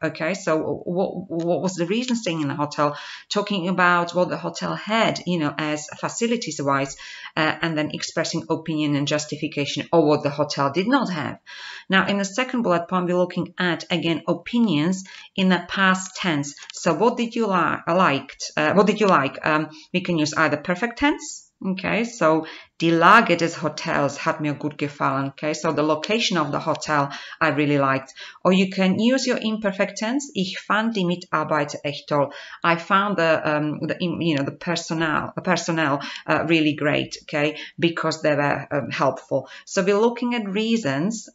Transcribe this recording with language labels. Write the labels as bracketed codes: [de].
[en] Okay, so what was the reason staying in the hotel? Talking about what the hotel had, you know, as facilities wise, and then expressing opinion and justification or what the hotel did not have. Now, in the second bullet point, we're looking at, again, opinions in the past tense. So what did you liked? What did you like? We can use either perfect tense. [de] Okay, so die Lage des Hotels hat mir gut gefallen. [en] Okay, so the location of the hotel I really liked. Or you can use your imperfect tense. [de] Ich fand die Mitarbeiter echt toll. [en] I found the personnel really great. Okay, because they were helpful. So we're looking at reasons.